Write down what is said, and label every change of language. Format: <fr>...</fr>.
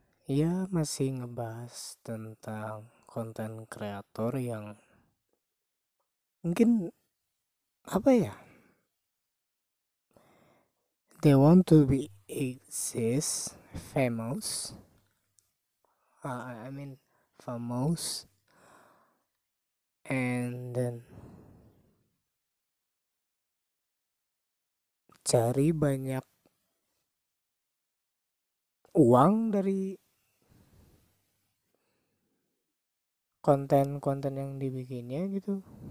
<id>Ya masih ngebahas tentang konten kreator yang mungkin apa ya?</id> <en>They want to be exist famous. Famous. And then</en> <id>cari banyak uang dari konten-konten yang dibikinnya gitu,</id>